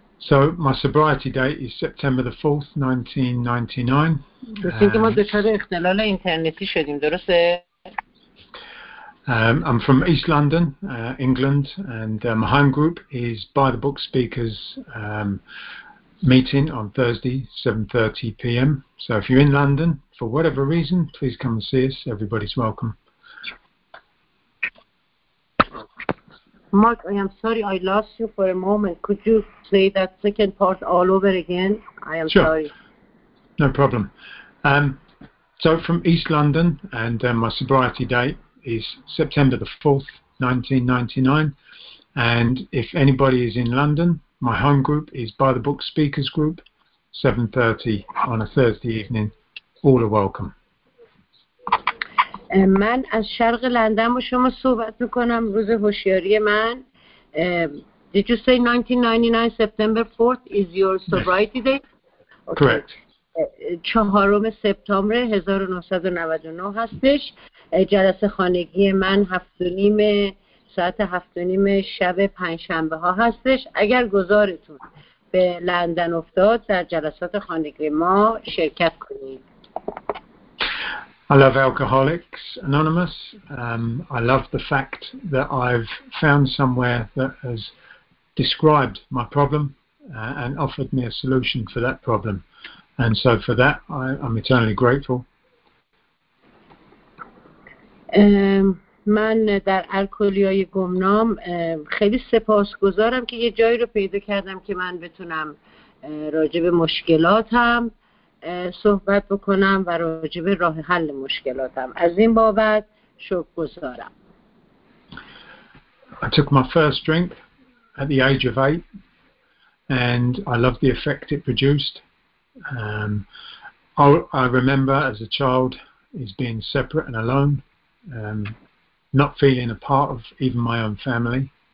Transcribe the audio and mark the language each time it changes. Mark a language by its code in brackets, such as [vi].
[en] So my sobriety date is September the 4th, 1999. [fa] دوستان که ما دچار اختلال اینترنتی شدیم، درسته؟ [en] I'm from East London, England, and my home group is By the Book Speakers meeting on Thursday, 7:30 p.m. So if you're in London, for whatever reason, please come and see us. Everybody's welcome. Mark, I am sorry I lost you for a moment. Could you play that second part all over again? I am sure. Sorry. No problem. So from East London, and my sobriety date is September the 4th, 1999, and if anybody is in London, my home group is By the Book Speakers Group, 7:30 on a Thursday evening. All are welcome. [fa] من از شرق لندن با شما صحبت میکنم، روز هوشیاری من. [en] Did you say 1999 September 4th is your sobriety yes. day? Okay. Correct. [fa] 4 سپتامبر 1999 هستش. جلسه خانگی من 7:30 ساعت 7:30 شب پنجشنبه ها هستش. اگر گزارتون به لندن افتاد در جلسات خانگی ما شرکت کنید. [en] I love Alcoholics Anonymous. I love the fact that I've found somewhere that has described my problem and offered me a solution for that problem. And so for that, I'm eternally grateful. [fa] من در الکلی‌های گمنام خیلی سپاسگزارم که یه جایی رو پیدا کردم که من بتونم راجب مشکلاتم صحبت بکنم و راجب راه حل مشکلاتم. از این بابت شکرگزارم. [en] I took my first drink at the age of 8 and I loved the effect it produced. I remember as a child is being separate and alone, not feeling a part of even my own family.